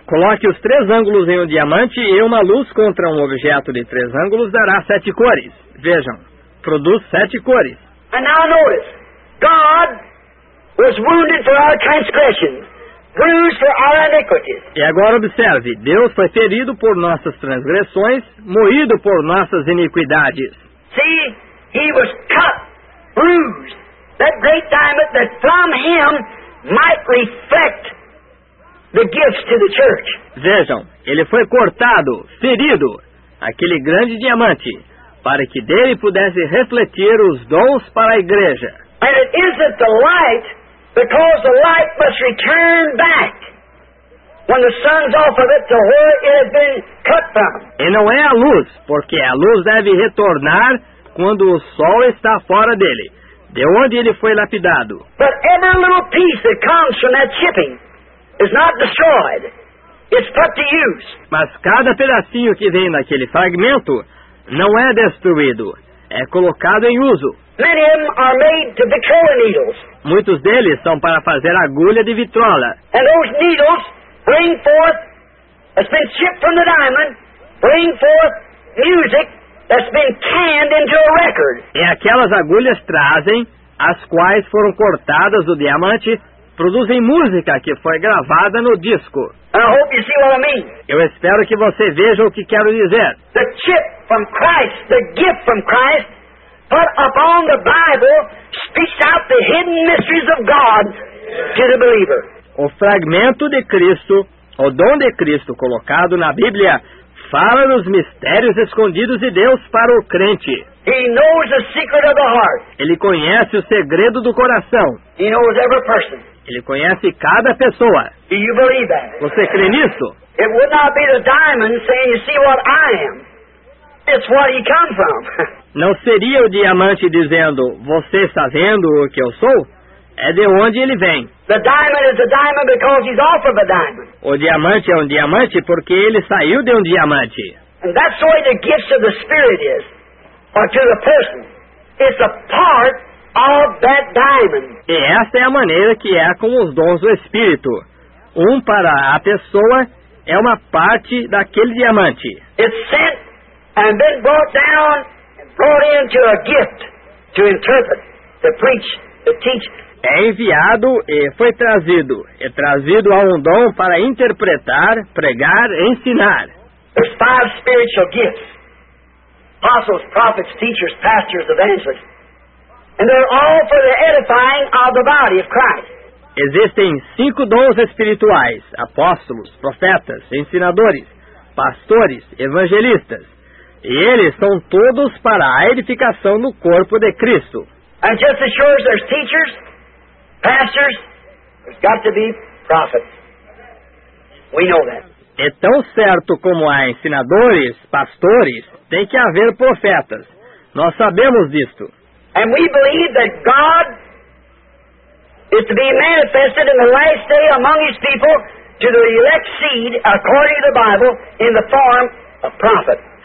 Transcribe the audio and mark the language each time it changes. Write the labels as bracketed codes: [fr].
[pt] Coloque os três ângulos em um diamante e uma luz contra um objeto de três ângulos dará sete cores. Vejam, produz sete cores. [en] And now notice, God was wounded for our transgressions, bruised for our iniquities. [pt] E agora observe, Deus foi ferido por nossas transgressões, moído por nossas iniquidades. [en] See, he was cut, bruised, that great diamond that from him might reflect the gifts to the church. [pt] Vejam, ele foi cortado, ferido, aquele grande diamante, para que dele pudesse refletir os dons para a igreja. [en] And it isn't the light, because the light must return back when the sun's off of it to where it has been cut from. [pt] E não é a luz, porque a luz deve retornar quando o sol está fora dele, de onde ele foi lapidado. [en] But every little piece that comes from that chipping is not destroyed. It's put to use. [pt] Mas cada pedacinho que vem daquele fragmento não é destruído, é colocado em uso. [en] Many of them are made to vitrola needles. [pt] Muitos deles são para fazer agulha de vitrola. [en] And those needles bring forth, that's been chipped from the diamond, bring forth music that's been canned into a record. [pt] E aquelas agulhas trazem, as quais foram cortadas do diamante, produzem música que foi gravada no disco. [en] And I hope you see what I mean. [pt] Eu espero que você veja o que quero dizer. [en] The chip from Christ, the gift from Christ, put upon the Bible, speaks out the hidden mysteries of God to the believer. [pt] O fragmento de Cristo, o dom de Cristo colocado na Bíblia, fala dos mistérios escondidos de Deus para o crente. [en] He knows the secret of the heart. [pt] Ele conhece o segredo do coração. [en] He knows every person. [pt] Ele conhece cada pessoa. [en] Do you believe that? [pt] Você crê nisso? [en] It would not be the diamond saying, "You see what I am." It's what he comes from. [pt] Não seria o diamante dizendo, "Você está vendo o que eu sou?" É de onde ele vem. [en] The diamond is a diamond because he's off of a diamond. [pt] O diamante é um diamante porque ele saiu de um diamante. [en] And that's the way the gifts of the Spirit is. Or to the person. It's a part of that diamond. [pt] E essa é a maneira que é com os dons do Espírito. Um para a pessoa é uma parte daquele diamante. [en] It's sent and been brought down and brought into a gift to interpret, to preach, to teach. [pt] É enviado e foi trazido. É trazido a um dom para interpretar, pregar, ensinar. [en] There's five spiritual gifts. Apostles, prophets, teachers, pastors, evangelists. And they're all for the edifying of the body of Christ. [pt] Existem cinco dons espirituais. Apóstolos, profetas, ensinadores, pastores, evangelistas. E eles são todos para a edificação do corpo de Cristo. [en] And just as sure as there's teachers, pastors, there's got to be prophets. We know that. [pt] É tão certo como há ensinadores, pastores, tem que haver profetas. Nós sabemos disto. [en] And we believe that God is to be manifested in the last day among his people to the elect seed, according to the Bible, in the form of prophet.